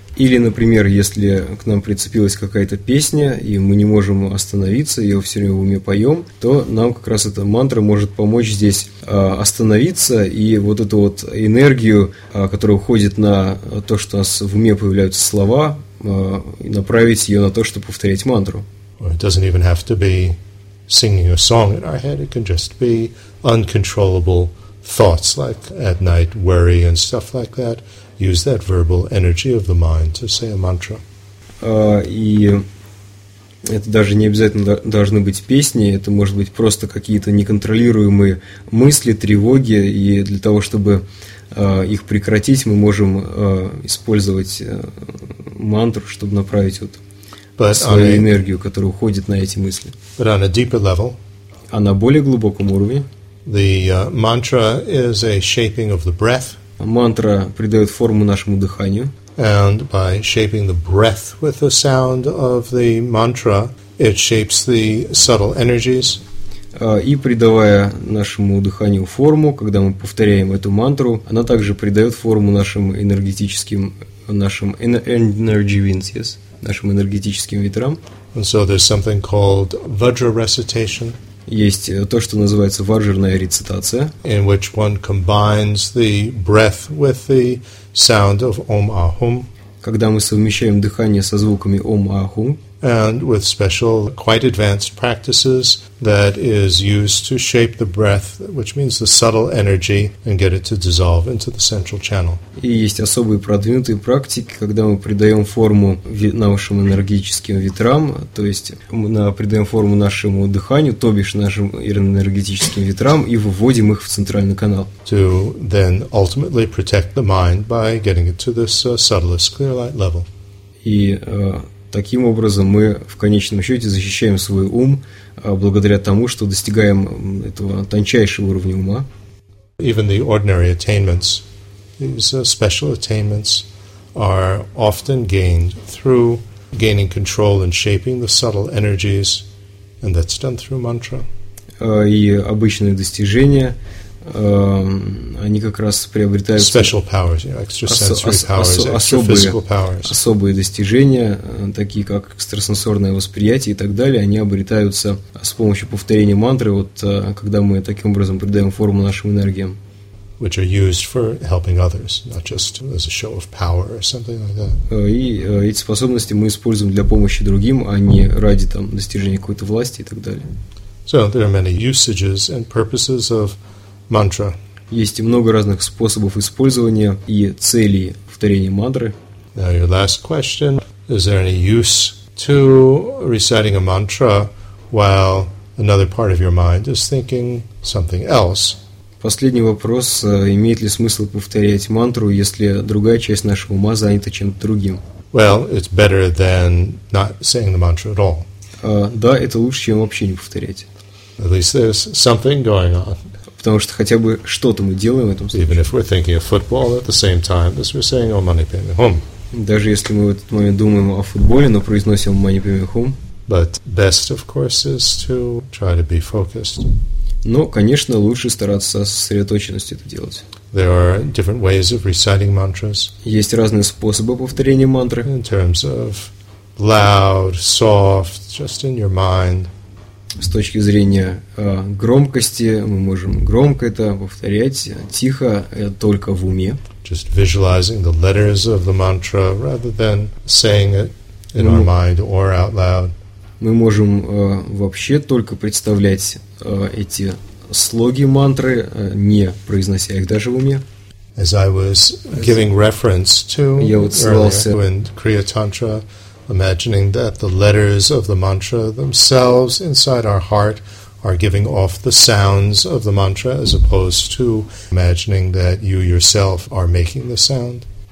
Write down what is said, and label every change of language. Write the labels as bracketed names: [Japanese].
[Russian] Или, например, если к нам прицепилась какая-то песня, и мы не можем остановиться, ее все время в уме поем, то нам как раз эта мантра может помочь здесь остановиться, и вот эту вот энергию, которая уходит на то, что у нас в уме появляются слова, направить ее на то, чтобы повторять мантру. [English] It doesn't even have to be singing a song in our head, it can just be uncontrollable thoughts, like at night worry and stuff like that. Use that verbal energy of the mind to say a mantra. [Russian] И это даже не обязательно должны быть песни, это может быть просто какие-то неконтролируемые мысли, тревоги, и для того, чтобы их прекратить, мы можем использовать мантру, чтобы направить вот свою энергию, которая уходит на эти мысли. [English] But on a deeper level, [Russian] а на более глубоком уровне, [English] the mantra is a shaping of the breath. [Russian] Мантра придает форму нашему дыханию. [English] And by shaping the breath with the sound of the mantra, it shapes the subtle energies. [Russian] И придавая нашему дыханию форму, когда мы повторяем эту мантру, она также придает форму нашим энергетическим ветрам. [English] And so there's something called vajra recitation. [Russian] Есть то, что называется ваджарная рецитация, [English] in which one combines the breath with the sound of Om Ahum, [Russian] когда мы совмещаем дыхание со звуками Om Ahum, [English] and with special quite advanced practices that is used to shape the breath, which means the subtle energy, and get it to dissolve into the central channel. [Russian] И есть особые продвинутые практики, когда мы придаем форму нашим энергетическим ветрам, то есть мы придаем форму нашему дыханию, то бишь нашим энергетическим ветрам, и выводим их в центральный канал. [English] To then ultimately protect the mind by getting it to this subtlest clear light level. [Russian] И таким образом мы в конечном счете защищаем свой ум благодаря тому, что достигаем этого тончайшего уровня ума. [English] Even the ordinary attainments, these special attainments, are often gained through gaining control and shaping the subtle energies, and that's done through mantra. [Russian] И обычные достижения, они как раз приобретают [English] special powers, you know, extrasensory powers, extraphysical powers. [Russian] Особые достижения, такие как экстрасенсорное восприятие и так далее, они обретаются с помощью повторения мантры, вот когда мы таким образом придаем форму нашим энергиям. [English] Which are used for helping others, not just as a show of power or something like that. [Russian] И эти способности мы используем для помощи другим, а не ради там достижения какой-то власти и так далее. [English] So there are many usages and purposes of mantra. [Russian] Есть много разных способов использования и целей повторения мантры. [English] Now your last question: is there any use to reciting a mantra while another part of your mind is thinking something else? [Russian] Последний вопрос: имеет ли смысл повторять мантру, если другая часть нашего ума занята чем-то другим? [English] Well, it's better than not saying the mantra at all. [Russian] Да, это лучше, чем вообще не повторять. [English] At least there's something going on. [Russian] Потому что хотя бы что-то мы делаем в этом случае. [English] Even if we're thinking of football at the same time, as we're saying Om Mani Padme Hum. [Russian] Даже если мы в этот момент думаем о футболе, но произносим Om Mani Padme Hum. [English] But best, of course, is to try to be focused. [Russian] Но, конечно, лучше стараться со сосредоточенностью это делать. [English] There are different ways of reciting mantras. [Russian] Есть разные способы повторения мантры. [English] In terms of loud, soft, just in your mind. [Russian] С точки зрения громкости, мы можем громко это повторять, тихо, только в уме. [English] Just visualizing the letters of the mantra rather than saying it in our mind or out loud. [Russian] Мы можем вообще только представлять эти слоги мантры, не произнося их даже в уме. [English] As I was giving reference to earlier in Kriya Tantra, imagining that the letters of the mantra themselves inside our heart are giving off the sounds of the mantra as opposed to imagining that you yourself are making the sound.